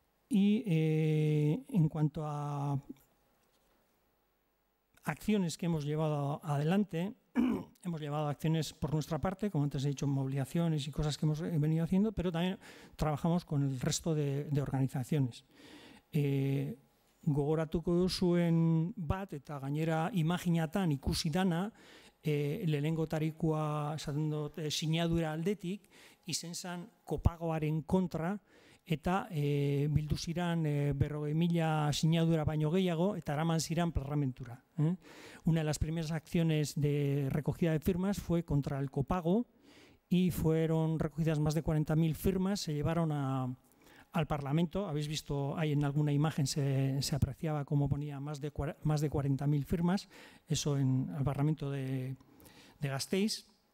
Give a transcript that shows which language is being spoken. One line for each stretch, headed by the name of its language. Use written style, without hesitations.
Spanish: Y en cuanto a acciones que hemos llevado adelante, hemos llevado acciones por nuestra parte, como antes he dicho, movilizaciones y cosas que hemos venido haciendo, pero también trabajamos con el resto de organizaciones.
Basque: Gogoratuko duzuen bat, eta gainera imaginatan ikusi dana, lehenengo tarikua esaten dut sinadura aldetik, izen zan kopagoaren kontra, eta bildu ziren 40.000 sinadura baino gehiago, eta eraman ziren parlamentura.
Spanish: Una de las primeras acciones de recogida de firmas fue contra el copago, y fueron recogidas más de 40.000 firmas, se llevaron al Parlamento. Habéis visto ahí en alguna imagen, se apreciaba cómo ponía más de 40.000 firmas, eso en el Parlamento de Gasteiz.